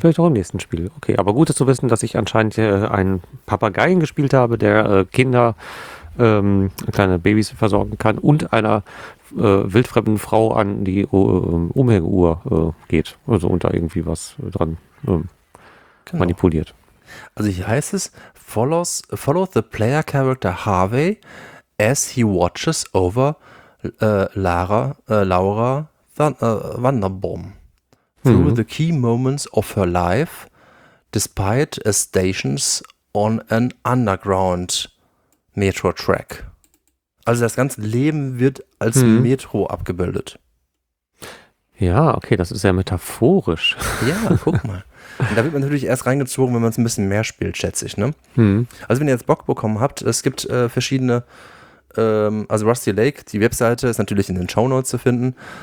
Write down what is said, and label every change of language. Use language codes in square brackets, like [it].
[de] vielleicht auch im nächsten Spiel. Okay, aber gut ist zu wissen, dass ich anscheinend einen Papageien gespielt habe, der Kinder, kleine Babys versorgen kann und einer wildfremden Frau an die Umhänguhr geht, also unter irgendwie was dran genau manipuliert. Also hier heißt es: [en] follow the player character Harvey as he watches over Laura Vanderbom through the key moments of her life despite a stations on an underground Metro Track. [de] Also das ganze Leben wird als Metro abgebildet. Ja, okay, das ist sehr metaphorisch. Ja, guck mal. Da wird man natürlich erst reingezogen, wenn man es ein bisschen mehr spielt, schätze ich, ne? Also wenn ihr jetzt Bock bekommen habt, es gibt verschiedene, also Rusty Lake, die Webseite ist natürlich in den Shownotes zu finden.